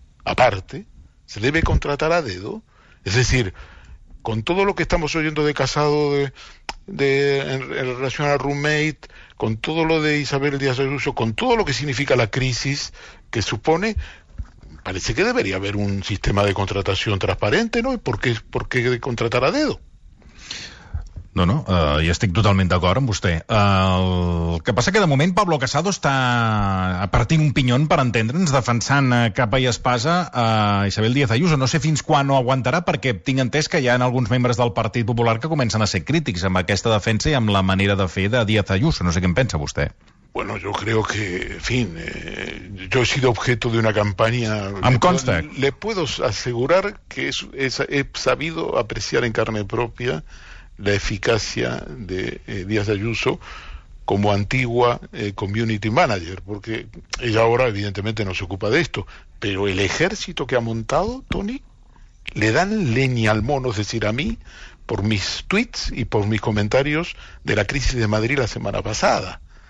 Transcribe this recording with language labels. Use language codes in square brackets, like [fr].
[es] Aparte, se debe contratar a dedo, es decir, con todo lo que estamos oyendo de Casado en relación a roommate, con todo lo de Isabel Díaz Ayuso, con todo lo que significa la crisis que supone, parece que debería haber un sistema de contratación transparente, ¿no? ¿Por qué contratar a dedo? [ca] No, ja estic totalment d'acord amb vostè. El que passa que, de moment, Pablo Casado està partint un pinyon, per entendre'ns, defensant capa i espasa a Isabel Díaz Ayuso. No sé fins quan ho aguantarà, perquè tinc entès que hi ha alguns membres del Partit Popular que comencen a ser crítics amb aquesta defensa i amb la manera de fer de Díaz Ayuso. No sé què en pensa vostè. [es] Bueno, yo creo que, en fin, yo he sido objeto de una campaña... [ca] Em consta. [es] Le puedo asegurar que he sabido apreciar en carne propia la eficacia de Díaz Ayuso como antigua community manager, porque ella ahora evidentemente no se ocupa de esto, pero el ejército que ha montado, Tony, le dan leña al mono, es decir, a mí, por mis tweets y por mis comentarios de la crisis de Madrid la semana pasada.